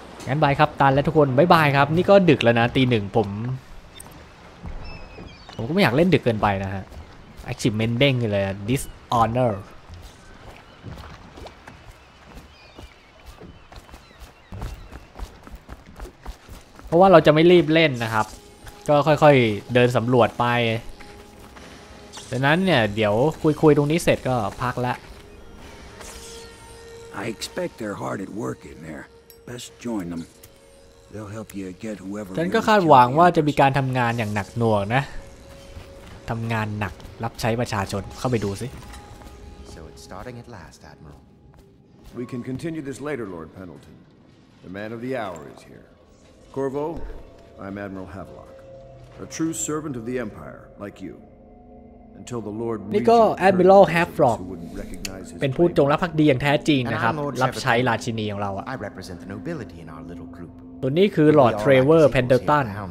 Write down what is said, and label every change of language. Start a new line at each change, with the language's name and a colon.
Thai: งั้นบายครับตันและทุกคนบ๊ายบายครับนี่ก็ดึกแล้วนะตีหนึ่งผมก็ไม่อยากเล่นดึกเกินไปนะฮะAchievement เด้งเลย Dishonor เพราะว่าเราจะไม่รีบเล่นนะครับก็ค่อยๆเดินสำรวจไปดังนั้นเนี่ยเดี๋ยวคุยๆตรงนี้เสร็จก็พักละ
English: I expect they're hard at work in there. Best join them. They'll help you get whoever.
Thai: ฉันก็คาดหวังว่าจะมีการทำงานอย่างหนักหน่วงนะทำงานหนักรับใช้ประชาชนเข้าไปดูสิ
English: So it's starting at last, Admiral. We can continue this later, Lord Pendleton. The man of the hour is here. Corvo, I'm Admiral Havelock, a true servant of the Empire, like you. Until the Lord.
Thai: นี่ก็ Admiral Havelock เป็นผู้จงรักภักดีอย่างแท้จริงนะครับรับใช้ราชินีของเราอะ
English: I represent the nobility in our little group.
Thai: ตัวนี้คือ Lord Trevor Pendleton.